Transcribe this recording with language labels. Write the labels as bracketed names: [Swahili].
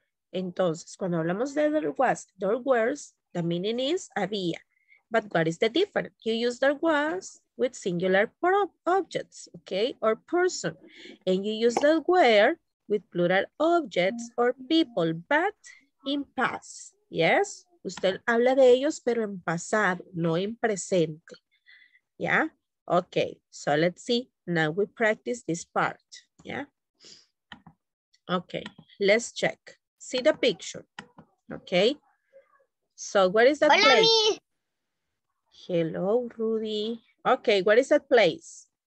[Spanish] Entonces, cuando hablamos de [English] there was, there were, the meaning is había. But what is the difference? You use there was with singular objects, okay, or person. And you use there were with plural objects or people, but in past, yes? [Spanish] Usted habla de ellos, pero en pasado, no en presente, yeah? [English] Okay, so let's see, now we practice this part, yeah? Okay, let's check, see the picture, okay? So what is that [Spanish] Hola, [English] place? Me. Hello, Rudy. Okay, what is that place?